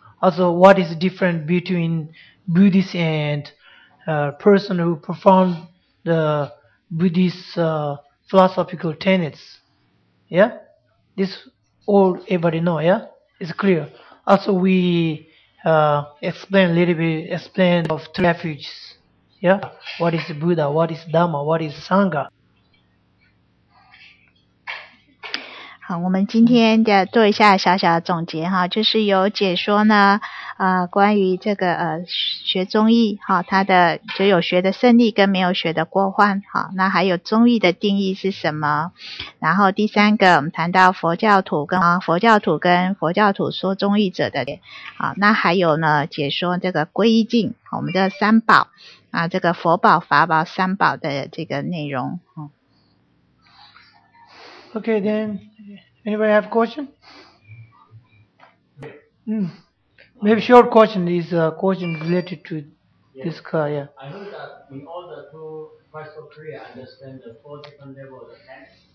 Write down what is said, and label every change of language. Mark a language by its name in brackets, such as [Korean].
[English] Also, what is different between Buddhist and person who performed the Buddhist philosophical tenets. This all everybody know, It's clear. Also we explain a little bit, explain of three refuges. What is Buddha, what is Dhamma, what is Sangha? [Chinese] 好，我们今天的做一下小小的总结，就是有解说呢关于这个学宗义，它的就有学的胜利跟没有学的过患，那还有宗义的定义是什么，然后第三个我们谈到佛教徒跟佛教徒跟佛教徒说宗义者的，那还有呢解说这个皈依境我们的三宝，这个佛宝法宝三宝的这个内容。 [English] Okay, then anybody have a question? Maybe short question is a question related to this car, I heard that in all the two parts of Korea, I understand the four different levels of tennis.